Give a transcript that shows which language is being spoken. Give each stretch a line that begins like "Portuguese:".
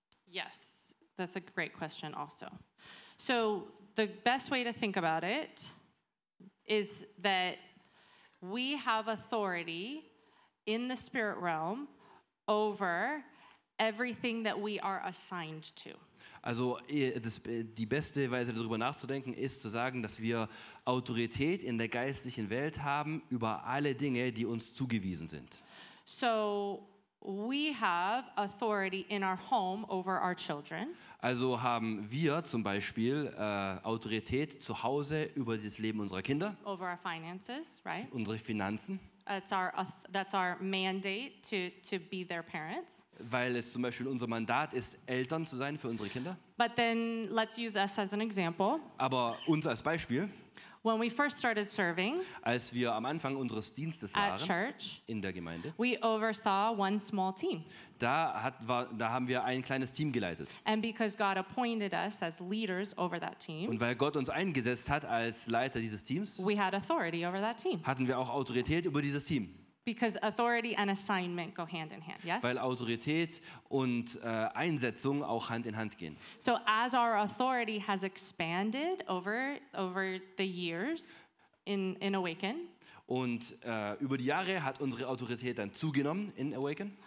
English: Yes, that's a great question also. So the best way to think about it is that we have authority in the spirit realm over everything that we are assigned to.
German: Also die beste Weise darüber nachzudenken ist zu sagen, dass wir Autorität in der geistlichen Welt haben über alle Dinge, die uns zugewiesen sind.
English: So we have authority in our home over our children.
German: Also haben wir zum Beispiel Autorität zu Hause über das Leben unserer Kinder.
English: Over our finances, right?
German: Unsere Finanzen.
English: That's our mandate to be their parents.
German: Weil es zum Beispiel unser Mandat ist, Eltern zu sein für unsere Kinder.
English: But then let's use us as an example.
German: Aber uns als Beispiel.
English: When we first started serving,
German: als wir am Anfang unseres Dienstes waren,
English: at church,
German: in der Gemeinde,
English: we oversaw one small team.
German: Da haben wir ein kleines Team geleitet.
English: And because God appointed us as leaders over that team,
German: und weil Gott uns eingesetzt hat als Leiter dieses Teams,
English: we had authority over that team.
German: Hatten wir auch Autorität über dieses Team.
English: Because authority and assignment go hand in hand, yes?
German: Weil Autorität und Einsetzung auch Hand in Hand gehen.
English: So as our authority has expanded over the years in Awaken.
German: Und über die Jahre hat unsere Autorität dann zugenommen in Awaken.